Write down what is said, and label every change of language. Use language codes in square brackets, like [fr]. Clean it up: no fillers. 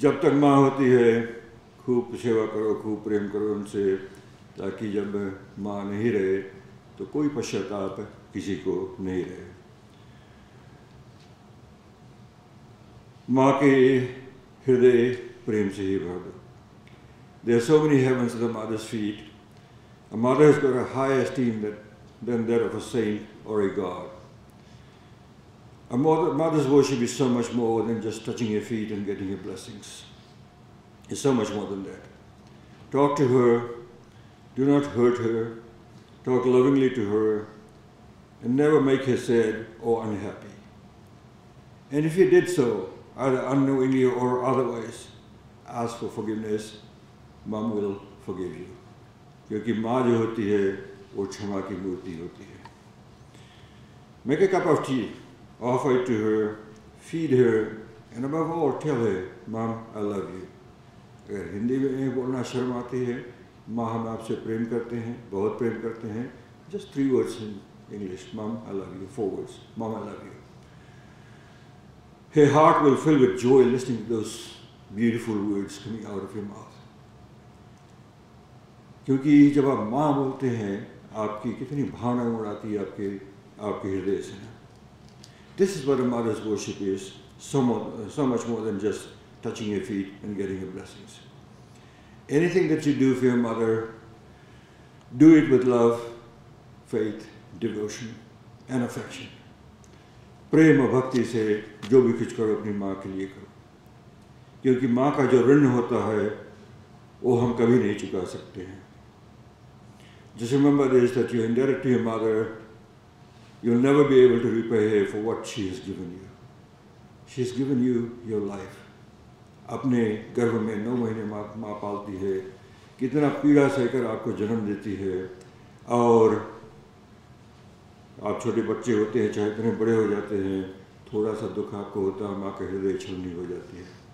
[hi] जब तक माँ होती है खूब सेवा करो, खूब प्रेम करो उनसे, ताकि जब माँ नहीं रहे तो कोई पश्चाताप किसी को नहीं रहे। माँ के हृदय प्रेम से ही भर दो। [en] There are so many heavens at the mother's feet. A mother has got a higher esteem than that of a saint or a god. A mother's worship is so much more than just touching her feet and getting her blessings. It's so much more than that. Talk to her. Do not hurt her. Talk lovingly to her. And never make her sad or unhappy. And if you did so, either unknowingly or otherwise, ask for forgiveness. Mom will forgive you. [hi] क्योंकि माँ जो होती है वो क्षमा की मूर्ति होती है। [en] Make a cup of tea, offer it to her, feed her, and above all, tell her, Mom, I love you. [hi] अगर हिंदी में बोलना शर्म आती है, माँ हम आपसे प्रेम करते हैं, बहुत प्रेम करते हैं, [en] just three words in English, Mom, I love you, four words, Mom, I love you. Her heart will fill with joy listening to those beautiful words coming out of your mouth. [hi] क्योंकि जब आप माँ बोलते हैं आपकी कितनी भावना उड़ाती है आपके आपके हृदय से ना। [en] This is what a mother's worship is, so much more than just touching your feet and getting your blessings. Anything that you do for your mother, do it with love, faith, devotion and affection. [hi] प्रेम और भक्ति से जो भी कुछ करो अपनी माँ के लिए करो, क्योंकि माँ का जो ऋण होता है वो हम कभी नहीं चुका सकते हैं। [en] Just remember this, that you are indebted to your mother. You will never be able to repay her for what she has given you. She has given you your life. [hi] अपने गर्भ में 9 महीने माँ पालती है, कितना पीड़ा सहकर आपको जन्म देती है, और आप छोटे बच्चे होते हैं चाहे इतने बड़े हो जाते हैं, थोड़ा सा दुख आपको होता है माँ का हृदय छलनी हो जाती है।